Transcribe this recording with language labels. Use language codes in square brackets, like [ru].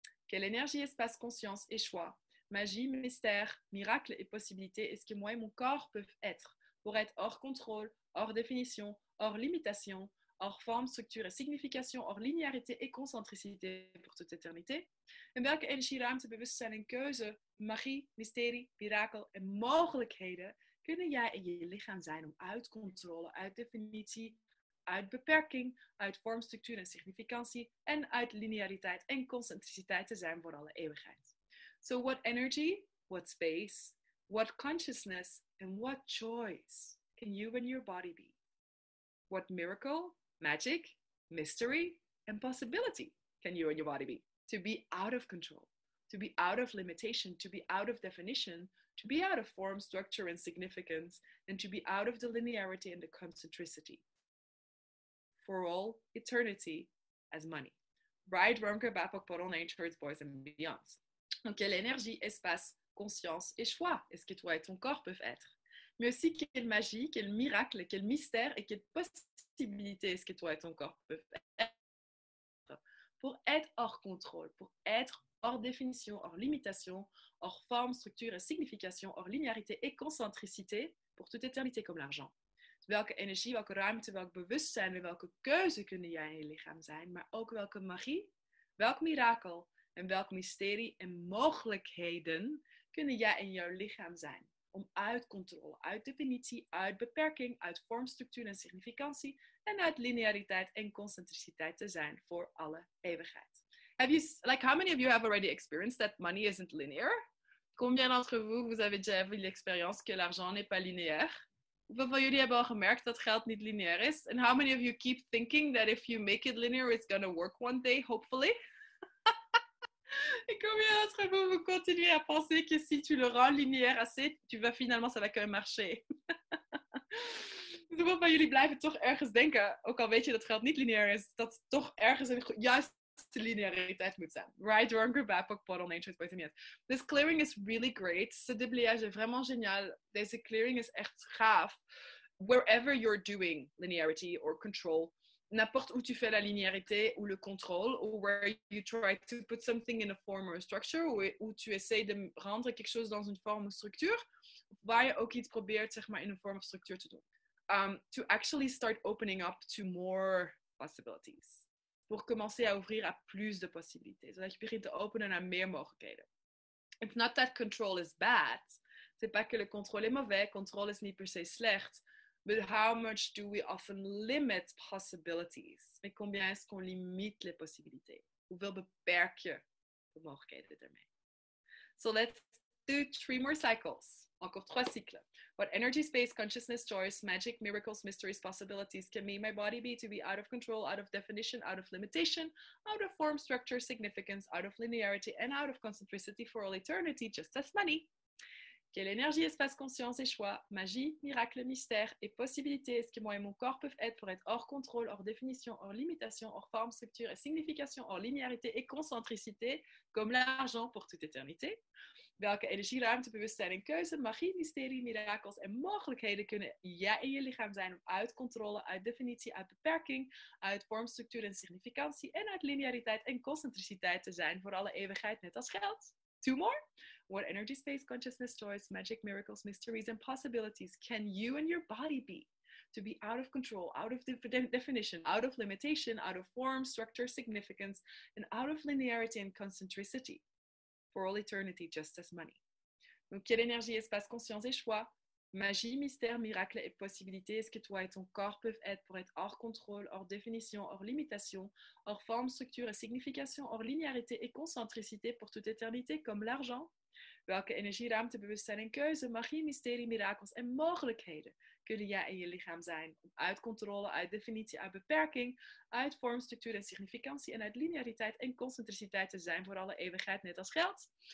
[fr] Quelle énergie, espace, conscience et choix, magie, mystère, miracle et possibilité est-ce que moi et mon corps peuvent être pour être hors contrôle, hors définition, hors limitation, hors forme, structure et signification, hors linéarité et concentricité pour toute éternité? [nl] En welke energie, ruimte, bewustzijn en keuze, magie, mysterie, mirakel en mogelijkheden kunnen jij en je lichaam zijn om uit controle, uit definitie, uit beperking, uit vorm, structuur en significantie en uit lineariteit en concentriciteit te zijn voor alle eeuwigheid? [en] So what energy, what space, what consciousness and what choice can you and your body be? What miracle, magic, mystery, and possibility can you and your body be? To be out of control, to be out of limitation, to be out of definition, to be out of form, structure, and significance, and to be out of the linearity and the concentricity. For all eternity as money. Right, wrong, or bad, portal, nature, it's boys and beyonds. [fr] Donc, quelle énergie, espace, conscience et choix est-ce que toi et ton corps peuvent être? Mais aussi, quelle magie, quel miracle, quel mystère et quelle possibilité est-ce que toi et ton corps peuvent être pour être hors contrôle, pour être hors définition, hors limitation, hors forme, structure et signification, hors linéarité et concentricité pour toute éternité comme l'argent. [nl] Welke énergie, welke ruimte, welk bewustzijn en welke keuze kunnen jij in je lichaam zijn, maar ook welke magie, welk mirakel en welk mysterie en mogelijkheden kunnen jij in jouw lichaam zijn? Om uit controle, uit definitie, uit beperking, uit vorm, structuur en significantie en uit lineariteit en concentriciteit te zijn voor alle eeuwigheid. [en] Have you, like, how many of you have already experienced that money isn't linear? [fr] Combien d'entre vous, vous avez déjà eu l'expérience que l'argent n'est pas linéaire? [nl] Hoeveel van jullie hebben al gemerkt dat geld niet linéair is? [en] And how many of you keep thinking that if you make it linear, it's gonna work one day, hopefully? [nl] Ik kom hier [fr] autre, vous, vous continuez à penser que si tu le rends linéaire assez, tu vas finalement, ça va quand même marcher. [nl] Dus van jullie blijven toch ergens denken, ook al weet je dat geld niet lineair is, dat het toch ergens een juiste lineariteit moet zijn. [en] Right, wrong, good, bad, pok, pot, on, ancient, wait a minute. This clearing is really great. [fr] Ce déblayage est vraiment génial. [nl] Deze clearing is echt gaaf. [en] Wherever you're doing linearity or control, [fr] n'importe où tu fais la linéarité ou le contrôle, [en] or where you try to put something in a form or a structure, [fr] où tu essayes de rendre quelque chose dans une forme ou structure, [nl] waar je ook iets probeert, zeg maar, in een vorm of structure te doen. [en] To actually start opening up to more possibilities. [fr] Pour commencer à ouvrir à plus de possibilités. [nl] Zodat je begint te openen naar meer mogelijkheden. [en] It's not that control is bad. [fr] C'est pas que le contrôle est mauvais. [nl] Control is niet per se slecht. [en] But how much do we often limit possibilities? [fr] Mais combien est-ce qu'on limite les possibilités? [nl] Hoeveel beperk je de mogelijkheden ermee? [en] So let's do 3 more cycles. [fr] Encore 3 cycles. [en] What energy, space, consciousness, choice, magic, miracles, mysteries, possibilities can me, my body be to be out of control, out of definition, out of limitation, out of form, structure, significance, out of linearity, and out of concentricity for all eternity, just as money. [fr] Quelle énergie, espace, conscience et choix, magie, miracle, mystère et possibilité est-ce que moi et mon corps peuvent être pour être hors contrôle, hors définition, hors limitation, hors forme, structure et signification, hors linéarité et concentricité, comme l'argent pour toute éternité? [nl] Welke energie, ruimte, bewustzijn en keuze, magie, mysterie, miracles en mogelijkheden kunnen jij in je lichaam zijn om uit controle, uit definitie, uit beperking, uit vorm, structuur en significantie en uit lineariteit en concentriciteit te zijn voor alle eeuwigheid, net als geld? [en] 2 more? What energy, space, consciousness, choice, magic, miracles, mysteries and possibilities can you and your body be to be out of control, out of definition, out of limitation, out of form, structure, significance and out of linearity and concentricity for all eternity, just as money? [fr] Donc, quelle énergie, espace, conscience et choix, magie, mystère, miracle et possibilité est-ce que toi et ton corps peuvent être pour être hors contrôle, hors définition, hors limitation, hors forme, structure et signification, hors linéarité et concentricité pour toute éternité, comme l'argent? [nl] Welke energie, ruimte, bewustzijn en keuze, magie, mysterie, miracles en mogelijkheden kunnen jij in je lichaam zijn om uit controle, uit definitie, uit beperking, uit vorm, structuur en significantie en uit lineariteit en concentriciteit te zijn voor alle eeuwigheid, net als geld?